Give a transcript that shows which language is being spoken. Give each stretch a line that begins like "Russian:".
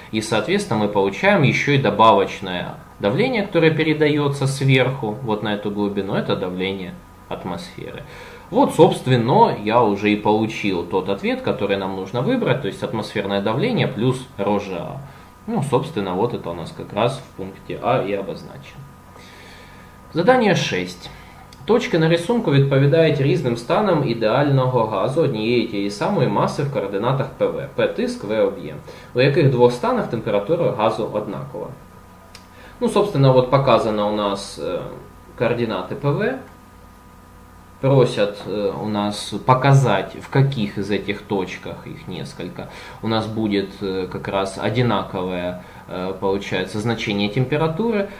Russian: И, соответственно, мы получаем еще и добавочное давление, которое передается сверху, вот на эту глубину, это давление атмосферы. Вот, собственно, я уже и получил тот ответ, который нам нужно выбрать, то есть атмосферное давление плюс ρgA. Ну, собственно, вот это у нас как раз в пункте А и обозначено. Задание 6.
Ukrainian: Точки на рисунку відповідают різним станам ідеального газу однієї тієї самої маси в координатах ПВ, П тиск, В об'єм, у яких двох станах температура газу однакова.
Russian: Ну, собственно, вот показано у нас координати ПВ. Просят у нас показать, в каких из этих точках, их несколько, у нас будет как раз одинаковое, получается, значение температуры.